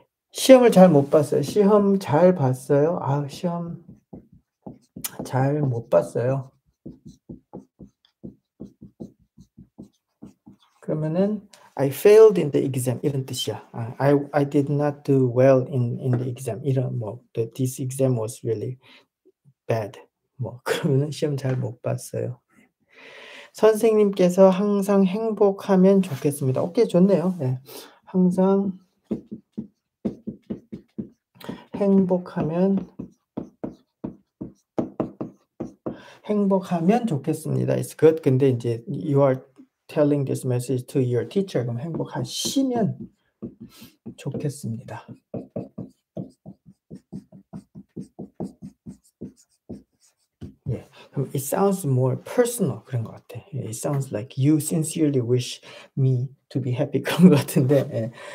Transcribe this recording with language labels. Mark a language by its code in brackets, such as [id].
[ko] 시험을 잘 못 봤어요. 시험 잘 봤어요? 아, 시험 잘 못 봤어요. 그러면은 [en] I failed in the exam [ko] 이런 뜻이야. [en] I did not do well in the exam. [ko] 이런 뭐 [en] this exam was really bad. [ko] 뭐 그러면은 시험 잘 못 봤어요. 선생님께서 항상 행복하면 좋겠습니다. 오케이, 좋네요. 네. 항상 행복하면 좋겠습니다. [en] It's good. [ko] 근데 이제 [en] you are telling this message to your teacher. [ko] 그럼 행복하시면 좋겠습니다. [en] 예, yeah. It sounds more personal [ko] 그런 것 같아. [en] It sounds like you sincerely wish me to be happy [ko] 그런 것 같은데 예.